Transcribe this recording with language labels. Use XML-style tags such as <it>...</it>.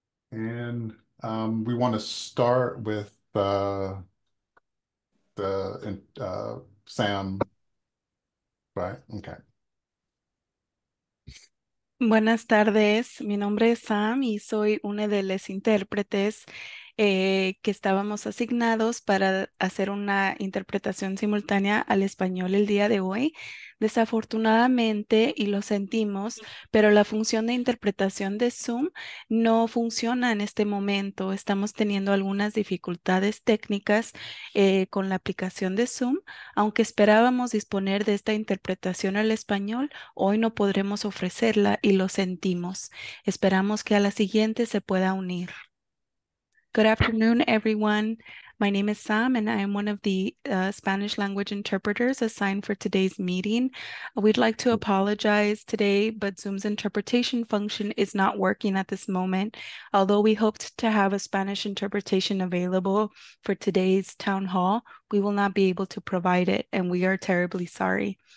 <en>And we want to start with Sam, right? Okay.</en> <es>Buenas tardes, mi nombre es Sam y soy una de las intérpretes que estábamos asignados para hacer una interpretación simultánea al español el día de hoy. Desafortunadamente, y lo sentimos, pero la función de interpretación de Zoom no funciona en este momento. Estamos teniendo algunas dificultades técnicas con la aplicación de Zoom. Aunque esperábamos disponer de esta interpretación al español, hoy no podremos ofrecerla y lo sentimos. Esperamos que a la siguiente se pueda unir.</es> <en>Good afternoon, everyone. My name is Sam, and I am one of the Spanish language interpreters assigned for today's meeting. We'd like to apologize today, but Zoom's interpretation function is not working at this moment. Although we hoped to have a Spanish interpretation available for today's town hall, we will not be able to provide it, and we are terribly sorry.</en>